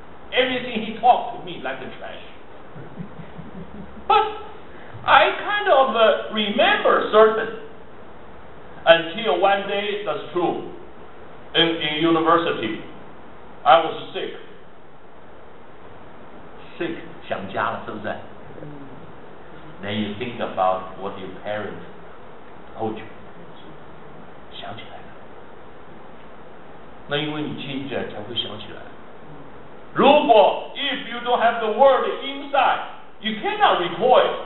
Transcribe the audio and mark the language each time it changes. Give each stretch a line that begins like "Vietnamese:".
English: Everything he talked to me like a trash. But I kind of remember certain until one day, that's true, in university, I was sick.
Chinese: Sick, 想家了是不是？
English: Then you think about what your parents told you.
Chinese: 想起来了。那因为你听见才会想起来。
English: 如果 if you don't have the word inside, you cannot recall.